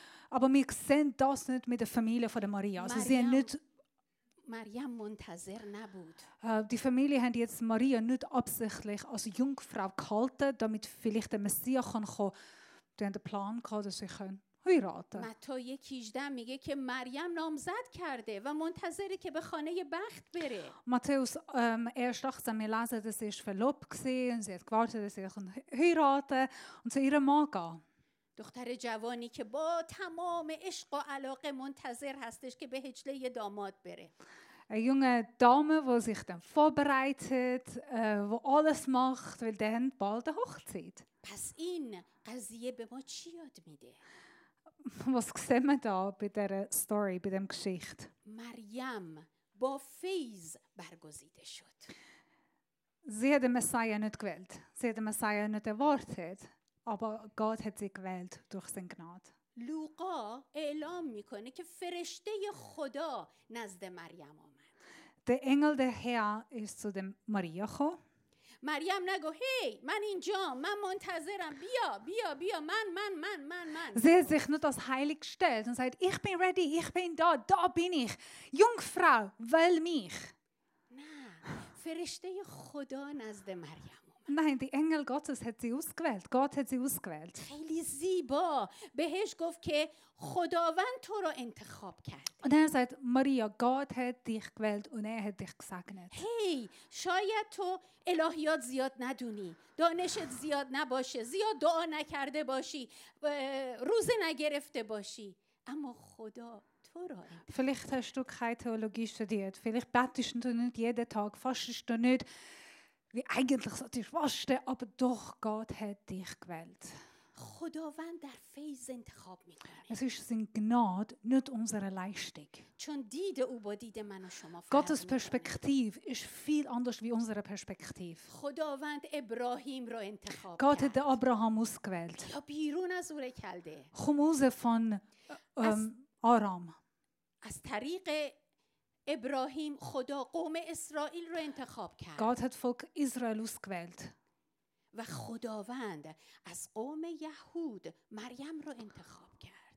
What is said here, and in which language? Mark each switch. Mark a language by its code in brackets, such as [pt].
[de] Aber wir sehen das nicht mit der Familie von der Maria. Also sie haben nicht [fa] مریم منتظر نبود. [de] Die Familie hat jetzt Maria nicht absichtlich als Jungfrau gehalten, damit vielleicht der Messias kann kommen. Die haben den Plan gehabt, dass sie können heiraten. [fa] متی 18 میگه که مریم نامزد کرده و منتظره که به خانه بخت بره. [de] Matthäus 18 lesen, dass sie verlobt gesehen und sie hat gewartet, dass sie heiraten und zu ihrem Mann gehen. [fa] دختر جوانی که با تمام عشق و علاقه منتظر هستش که به حجله داماد بره. [de] Eine junge Dame, die sich dann vorbereitet, wo alles macht, weil dann bald eine Hochzeit. [fa] پس این قضیه به ما چی یاد میده؟ [de] Was sehen wir da bei dieser Story, bei dieser Geschichte? [fa] مریم با فیض برگزیده شد. [de] Sie hat den Messias nicht gewählt. Sie hat den Messias nicht erwartet. Aber Gott hat sie gewählt durch seine Gnade. [fa] لوقا اعلام میکنه که فرشته خدا نزد مریم آمد. [de] Der Engel der Herr ist zu dem Maria gekommen. [fa] مریم نگو هی من اینجا من منتظرم بیا بیا بیا من. [de] Sie hat sich nicht als heilig gestellt und sagt ich bin ready, ich bin da, da bin ich. Jungfrau, wähl mich. [fa] نه، فرشته خدا نزد مریم آمد. [de] Nein, die Engel Gottes hat sie ausgewählt. Gott hat sie ausgewählt. [fa] خیلی زیبا بهش گفت که خداوند تو رو انتخاب کرد. [de] Und er sagt, Maria, Gott hat dich gewählt und er hat dich gesegnet. [fa] Hey, شاید تو الهیات زیاد ندونی. دانشت زیاد نباشه. زیاد دعا نکرده باشی. روزه نگرفته باشی. اما خدا [de] Vielleicht hast du keine Theologie studiert. Vielleicht betest du nicht jeden Tag, fastest du nicht, wie eigentlich sollte ich fasten, aber doch, Gott hat dich gewählt. [fa] خداوند در فیض انتخاب میکنه. [de] Es ist sein Gnade, nicht unsere Leistung. [fa] چون دیده او با دیده من و شما فرق [de] Gottes Perspektiv ist viel anders wie unsere Perspektiv. [fa] خداوند ابراهیم رو انتخاب کرد. [de] Gott hat Abraham ausgewählt. [fa] یا بیرون از اوره کلده. خموز von آرام. از طریق ابراهیم خدا قوم اسرائیل رو انتخاب کرد. [de] Gott hat Volk Israel ausgewählt. [fa] و خداوند از قوم یهود مریم رو انتخاب کرد.